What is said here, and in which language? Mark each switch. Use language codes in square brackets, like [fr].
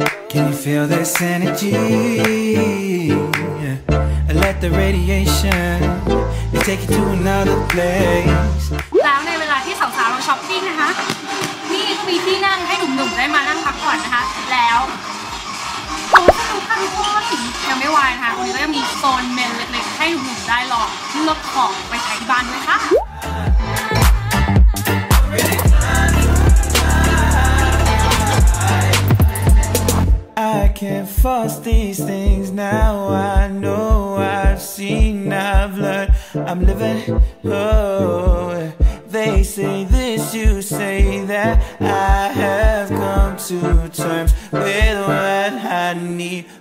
[en] Can you feel this energy? Yeah. Let the radiation take you to another place. [th] แล้วในเวลาที่สาวๆเราช้อปปิ้งนะคะนี่ก็มีที่นั่งให้หนุ่มๆได้มานั่งพักผ่อนนะคะแล้วโซนข้างๆสียังไม่วายนะคะตรงนี้ก็ยังมีโซนเมนเล็กๆให้หนุ่มๆได้ลองเลือกของไปใช้ที่บ้านด้วยค่ะ [en] Can't force these things now. I know I've seen, I've learned. I'm living. Oh, they say this, you say that. I have come to terms with what I need.